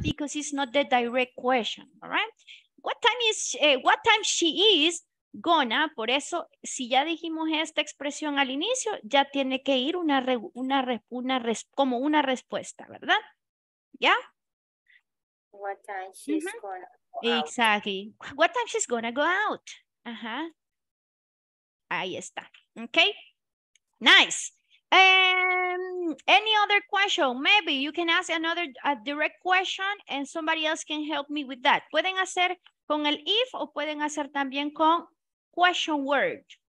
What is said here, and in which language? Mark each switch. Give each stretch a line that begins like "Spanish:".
English: Because it's not the direct question. All right? What time she is gonna?
Spanish: Por eso, si ya dijimos esta expresión al inicio, ya tiene que ir una respuesta, ¿verdad?
English: Yeah. What time she's gonna go out. Exactly. What time she's gonna go out? Uh-huh. Ahí está. Okay. Nice. Any other question? Maybe you can ask another direct question and somebody else can help me with that.
Spanish: Pueden hacer con el if o pueden hacer también con question word.